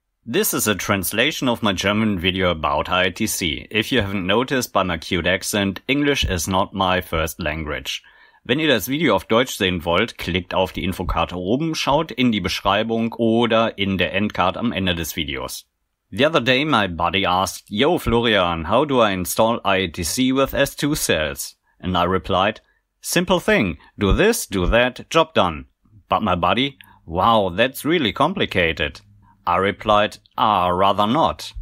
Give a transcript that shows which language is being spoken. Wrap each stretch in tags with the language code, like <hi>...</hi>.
<en>This is a translation of my German video about IITC. If you haven't noticed by my cute accent, English is not my first language.</en> <de>Wenn ihr das Video auf Deutsch sehen wollt, klickt auf die Infokarte oben, schaut in die Beschreibung oder in der Endcard am Ende des Videos.</de> <en>The other day my buddy asked, "Yo Florian, how do I install IITC with S2 cells?" And I replied, "Simple thing, do this, do that, job done." But my buddy, "Wow, that's really complicated." I replied, rather not.</en>